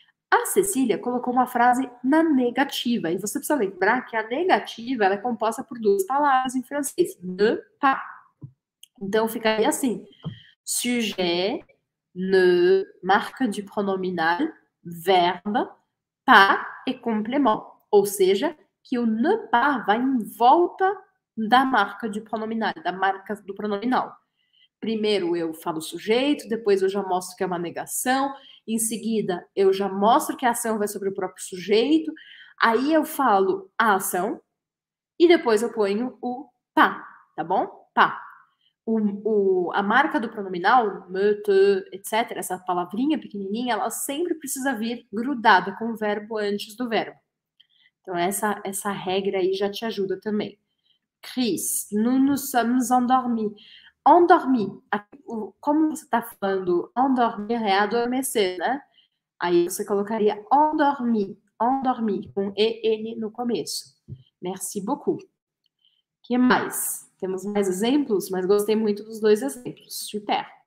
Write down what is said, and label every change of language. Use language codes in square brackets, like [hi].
[pt] A Cecília colocou uma frase na negativa. E você precisa lembrar que a negativa ela é composta por duas palavras em francês. Ne pas. Então, ficaria assim. [fr] Sujet, ne, marque du pronominal, verbe, pas e complément. [pt] Ou seja, que o ne pas vai em volta da marca de pronominal, da marca do pronominal. Primeiro eu falo o sujeito, depois eu já mostro que é uma negação, em seguida eu já mostro que a ação vai sobre o próprio sujeito, aí eu falo a ação e depois eu ponho o pas, tá bom? Pas. A marca do pronominal, me, te, etc., essa palavrinha pequenininha, ela sempre precisa vir grudada com o verbo antes do verbo. Então, essa regra aí já te ajuda também. [fr] Chris, nous nous sommes endormis. [pt] Endormi, como você está falando, endormir é adormecer, né? Aí você colocaria endormi, endormi, com EN no começo. [fr] Merci beaucoup. [pt] Que mais? Temos mais exemplos, mas gostei muito dos dois exemplos. Super.